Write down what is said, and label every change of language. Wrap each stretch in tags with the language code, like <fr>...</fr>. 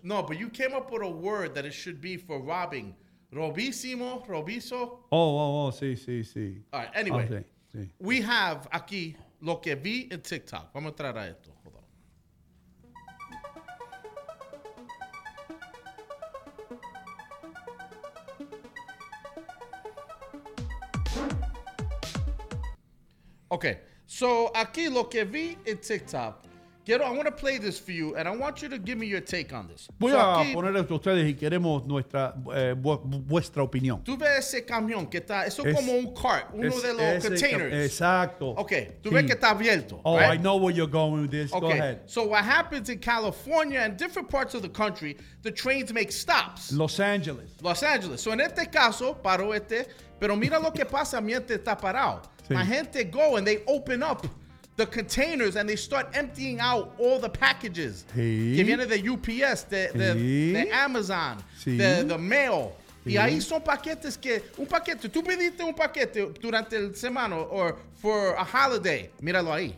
<en>No, but you came up with a word that it should be for robbing.</en> <es>Robísimo, robiso. Oh, sí, sí, sí.</es> <en>All right, anyway. Okay. Sí. We have</en> <es>aquí lo que vi en TikTok. Vamos a entrar a esto. Okay, so aquí lo que vi en TikTok. Quiero,</es> <en>I want to play this for you, and I want you to give me your take on this.</en> <es>Voy</es> <en>so</en> <es>a poner esto a ustedes y queremos nuestra vuestra opinión. ¿Tú ves ese camión que está? Eso es como un cart, de los containers. Exacto. Okay, tú sí. Ves que está abierto. Oh,</es> <en>right? I know where you're going with this. Okay. Go ahead. So what happens in California and different parts of the country, the trains make stops. Los Angeles.</en> <es>So en este caso, paró este, pero mira lo que pasa mientras está parado.</es> <en>Sí. My gente go and they open up the containers and they start emptying out all the packages.</en> <es>Sí. Que viene de UPS, de Amazon, sí.</es> <en>The mail.</en> <es>Sí. Y ahí son paquetes que, un paquete, tú pediste un paquete durante el semana</es> <en>or for a holiday.</en> <es>Míralo ahí.</es>